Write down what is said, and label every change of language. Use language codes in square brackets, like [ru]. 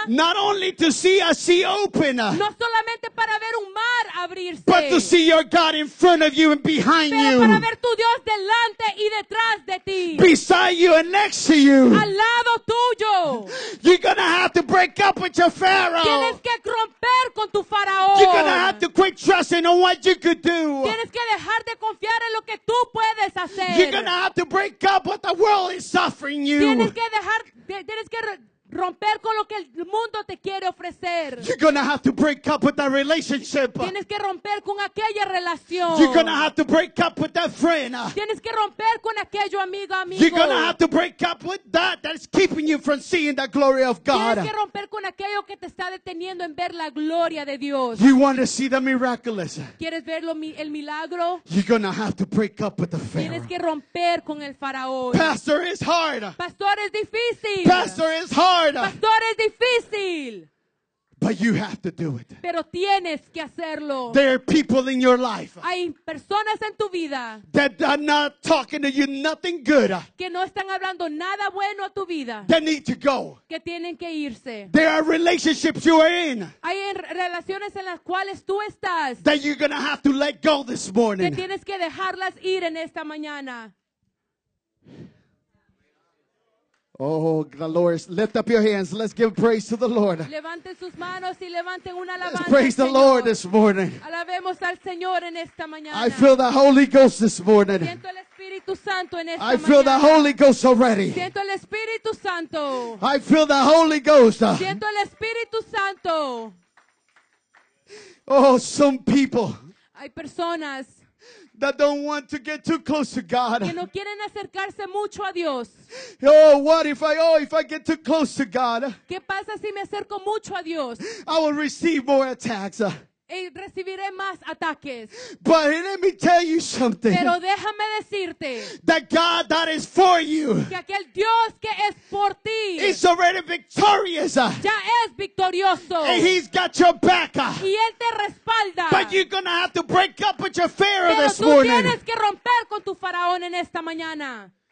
[en] Not only to see a sea open, [es] no solamente para ver un mar abrirse, [en] but to see your God in front of you and behind you. [es] Para ver tu Dios delante y detrás de ti. [en] Beside you and next to you. [es] Al lado tuyo. [en] You're going to have to break up with your Pharaoh. [es] Tienes que romper con tu faraón. [en] You're going to have to quit trusting on what you could do. [es] Tienes que dejar de confiar en lo que tú puedes hacer. [en] You're going to have to break up what the world is offering you. [es] Tienes que romper con lo que el mundo te quiere ofrecer. [en] You're going to have to break up with that relationship. [es] Tienes que romper con aquella relación. [en] You're going to have to break up with that friend. [es] Tienes que romper con aquello amigo, amigo. [en] You're going to have to break up with that is keeping you from seeing the glory of God. [es] Tienes que romper con aquello que te está deteniendo en ver la gloria de Dios. [en] You want to see the miraculous. [es] ¿Quieres ver el milagro? [en] You're going to have to break up with the Pharaoh. [es] Tienes que romper con el faraón. [en] Pastor, it's hard. [es] Pastor, es difícil. [en] Pastor, it's hard. [es] Pastor, es difícil. [en] But you have to do it. [es] Pero tienes que hacerlo. [en] There are people in your life. [es] Hay personas en tu vida. [en] That are not talking to you nothing good. [es] Que no están hablando nada bueno a tu vida. [en] They need to go. [es] Que tienen que irse. [en] There are relationships you are in. [es] Hay relaciones en las cuales tú estás. [en] That you're gonna have to let go this morning. [es] Que tienes que dejarlas ir en esta mañana. [en] Oh, the Lord, lift up your hands. Let's give praise to the Lord. [es] Levanten sus manos y levanten una alabanza. [en] Let's praise the Lord this morning. [es] Alabemos al Señor en esta mañana. [en] I feel the Holy Ghost this morning. [es] Siento el Espíritu Santo en esta mañana. [en] I feel the Holy Ghost already. [es] Siento el Espíritu Santo. [en] I feel the Holy Ghost. [es] Siento el Espíritu Santo. [en] Oh, some people. [es] Hay personas. [en] That don't want to get too close to God. [es] Que no quieren acercarse mucho a Dios. [en] Oh, what if I get too close to God? [es] ¿Qué pasa si me acerco mucho a Dios? [en] I will receive more attacks. [es] Y recibiré más ataques. [en] But let me tell you something. [es] Pero déjame decirte. [en] That God that is for you. [es] Que aquel Dios que es por ti. [en] Is already victorious. [es] Ya es victorioso. [en] And he's got your back. [es] Y él te respalda. [en] But you're gonna have to break up with your Pharaoh this morning. [es] Pero tú tienes que romper con tu faraón en esta mañana.